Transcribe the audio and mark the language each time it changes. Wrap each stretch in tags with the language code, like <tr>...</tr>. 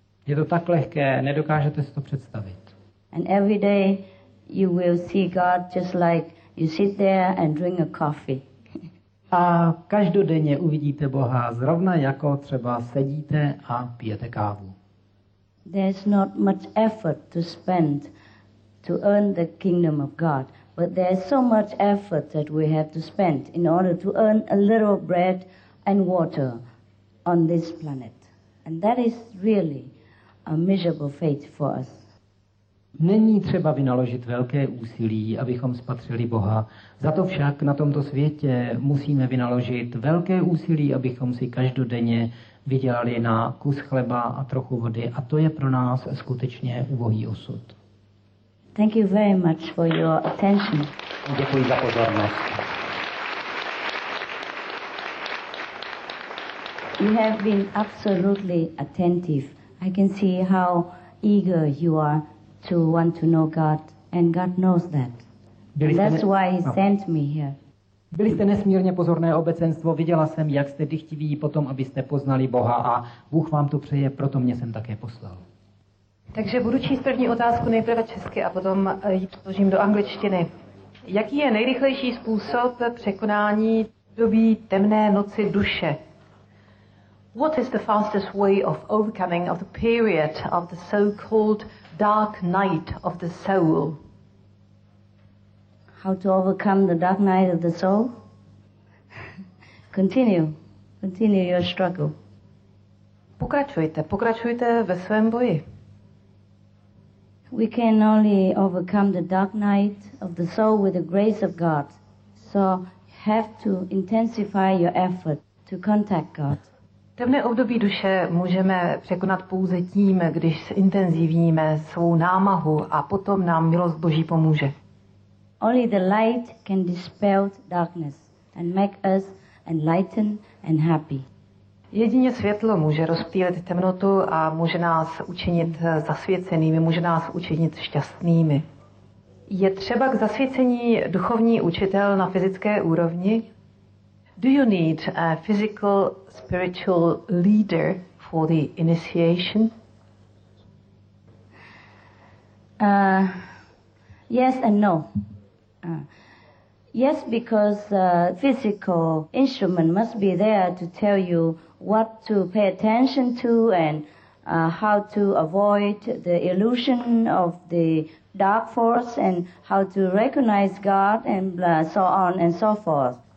<cs>Je to tak lehké, nedokážete si to představit.</cs> <en>And every day you will see God just like you sit there and drink a coffee.</en> <cs>A každodenně uvidíte Boha zrovna jako třeba sedíte a pijete kávu.</cs> <en>There's not much effort to spend to earn the kingdom of God, but there's so much effort that we have to spend in order to earn a little bread and water on this planet. And that is really a miserable fate for us.</en> <cs>Není třeba vynaložit velké úsilí, abychom spatřili Boha. Za to však na tomto světě musíme vynaložit velké úsilí, abychom si každodenně vydělali na kus chleba a trochu vody. A to je pro nás skutečně ubohý osud.</cs> <en>Thank you very much for your attention.</en> <cs>Děkuji za pozornost.</cs> <en>You have been absolutely attentive. I can see how eager you are to want to know God, and God knows that. That's why he sent me here.</en> <cs>Byli jste nesmírně pozorné obecenstvo, viděla jsem, jak jste dychtiví potom, abyste poznali Boha, a Bůh vám to přeje, proto mě jsem také poslal. Takže budu číst první otázku nejprve česky a potom ji přeložím do angličtiny. Jaký je nejrychlejší způsob překonání doby temné noci duše?</cs> <en>What is the fastest way of overcoming of the period of the so-called dark night of the soul? How to overcome the dark night of the soul? Continue your struggle.</en> <cs>Pokračujte ve svém boji.</cs> <en>We can only overcome the dark night of the soul with the grace of God. So you have to intensify your effort to contact God.</en> <cs>Temné období duše můžeme překonat pouze tím, když zintenzivníme svou námahu a potom nám milost Boží pomůže.</cs> <en>Only the light can dispel darkness and make us enlightened and happy.</en> <cs>Jedině světlo může rozptýlit temnotu a může nás učinit zasvěcenými, může nás učinit šťastnými. Je třeba k zasvěcení duchovní učitel na fyzické úrovni?</cs> <en>Do you need a physical spiritual leader for the initiation? Yes and no. Yes, because physical instrument must be there to tell you what to pay attention to and how to avoid the illusion of the dark force and how to recognize God and so on and so forth.</en>